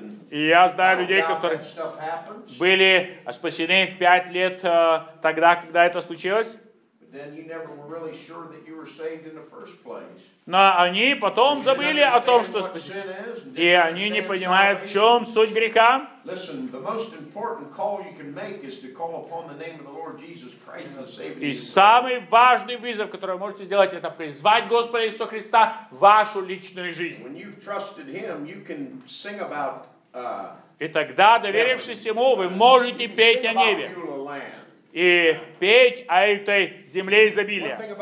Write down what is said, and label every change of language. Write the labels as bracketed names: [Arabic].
[Russian] И я знаю людей, которые были спасены в 5 лет тогда, когда это случилось. [English] Then you never were really sure that you were saved in the first place. [Russian] Но они потом забыли о том, что и они не понимают, в чем суть греха. [English] Listen, the most important call you can make is to call upon the name of the Lord Jesus Christ and save you. [Russian] И самый важный вызов, который вы можете сделать, это призвать Господа Иисуса Христа в вашу личную жизнь. [English] When you've trusted Him, you can sing about. [Russian] И тогда, доверившись Ему, вы можете петь о небе. И петь о этой земле изобилия.